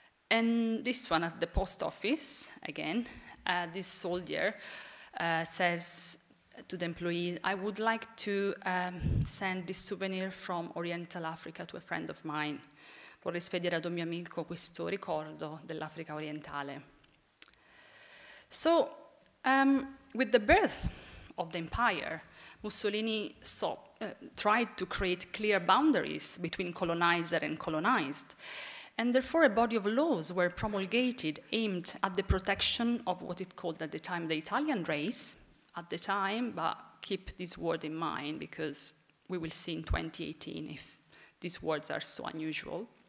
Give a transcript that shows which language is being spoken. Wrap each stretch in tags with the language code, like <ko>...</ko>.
<en>And this one at the post office, again, this soldier says to the employee, I would like to send this souvenir from Oriental Africa to a friend of mine.</en> <it>Vorrei spedire ad un mio amico questo ricordo dell'Africa orientale.</it> <en>So, with the birth of the empire, Mussolini tried to create clear boundaries between colonizer and colonized. And therefore, a body of laws were promulgated aimed at the protection of what it called at the time the Italian race, at the time, but keep this word in mind because we will see in 2018 if these words are so unusual.</en>